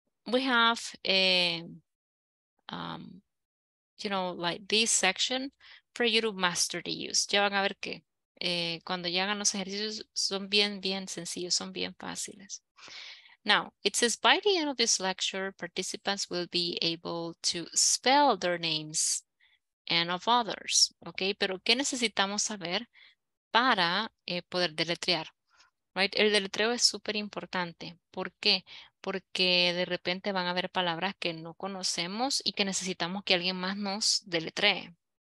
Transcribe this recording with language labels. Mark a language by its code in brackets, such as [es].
[en] We have a, you know, like this section for you to master the use. [es] Ya van a ver que cuando llegan los ejercicios son bien, bien sencillos, son bien fáciles. [en] Now, it says by the end of this lecture, participants will be able to spell their names and of others. [es] Okay, pero ¿qué necesitamos saber para poder deletrear? Right? El deletreo es súper importante. ¿Por qué? Porque de repente van a haber palabras que no conocemos y que necesitamos que alguien más nos deletree.